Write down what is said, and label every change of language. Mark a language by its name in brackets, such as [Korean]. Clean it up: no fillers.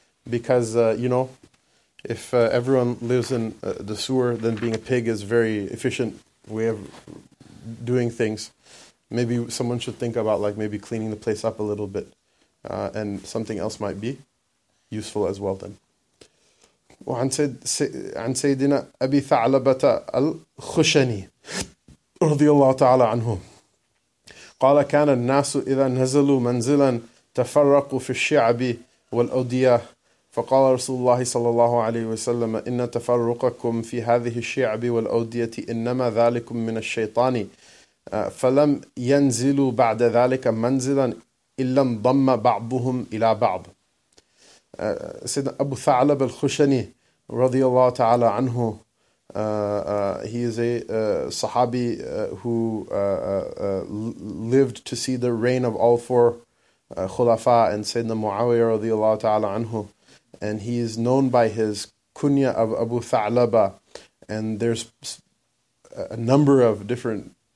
[English] Because, you know, if everyone lives in the sewer, then being a pig is a very efficient way of doing things. Maybe someone should think about, like, maybe cleaning the place up a little bit, and something else might be useful as well then. [Arabic] وعن سيدنا أبي ثعلبة الخشني رضي الله تعالى عنه قال كان الناس إذا نزلوا منزلا تفرقوا في الشعب والأودية فقال رسول الله صلى الله عليه وسلم إن تفرقكم في هذه الشعب والأودية إنما ذلك من الشيطان فلم ينزلوا بعد ذلك منزلا إلا انضم بعضهم إلى بعض. [English] Sayyidina Abu Tha'alab al-Khushani radiyallahu ta'ala anhu, he is a sahabi who lived to see the reign of all four khulafa and Sayyidina Muawiyah radiyallahu ta'ala anhu, and he is known by his kunya of Abu Tha'alaba, and there's a number of different